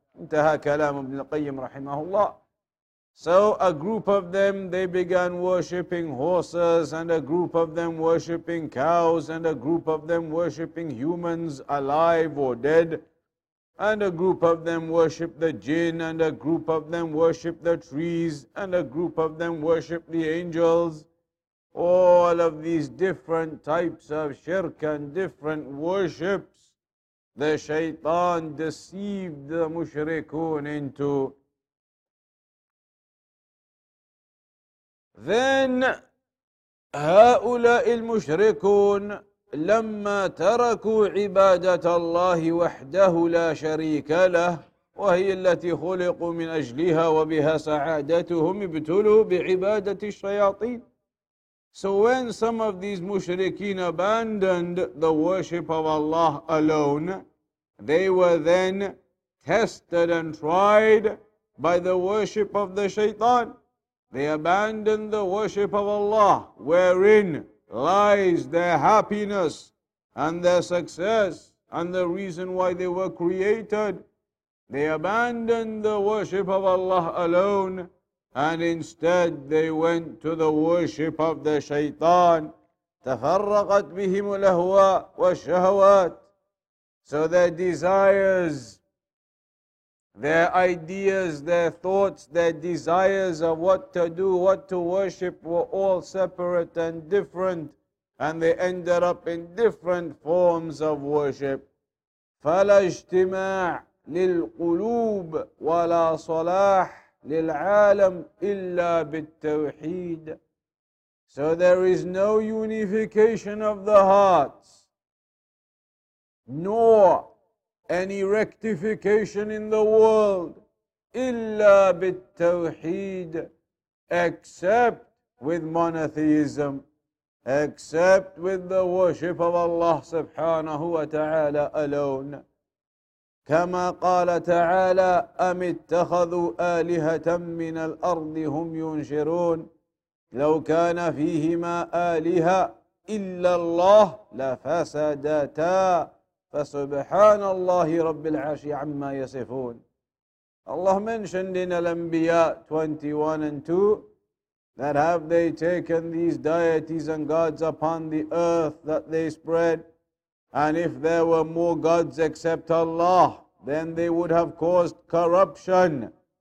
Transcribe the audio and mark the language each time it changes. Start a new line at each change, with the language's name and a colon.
Arabic: انتهى كلام ابن القيم رحمه الله.
English: So a group of them, they began worshipping horses, and a group of them worshipping cows, and a group of them worshipping humans alive or dead, and a group of them worship the jinn, and a group of them worship the trees, and a group of them worship the angels. All of these different types of shirk and different worships, the shaitan deceived the mushrikun into.
Arabic: Then, هؤلاء المشركون لما تركوا عبادة الله وحده لا شريك له وهي التي خلقوا من أجلها وبها سعادتهم ابتلوا بعبادة الشياطين.
English: So when some of these mushrikeen abandoned the worship of Allah alone, they were then tested and tried by the worship of the shaitan. They abandoned the worship of Allah, wherein lies their happiness and their success and the reason why they were created. They abandoned the worship of Allah alone, and instead they went to the worship of the shaitan.
Arabic: تفرقت بهم الأهواء والشهوات.
English: So their desires, their ideas, their thoughts, their desires of what to do, what to worship, were all separate and different, and they ended up in different forms of worship.
Arabic: فلا اجتماع للقلوب ولا صلاح للعالم إلا بالتوحيد.
English: So there is no unification of the hearts, nor any rectification in the world,
Arabic: إلا بالتوحيد,
English: except with monotheism, except with the worship of Allah سبحانه وتعالى alone.
Arabic: كما قال تعالى أم اتخذوا آلهة من الأرض هم ينشرون لو كان فيهما آلهة إلا الله لفسدتا فسبحان الله رب العرش عما يصفون.
English: Allah mentioned in Al-Anbiya 21 and 2 that have they taken these deities and gods upon the earth that they spread, and if there were more gods except Allah, then they would have caused corruption.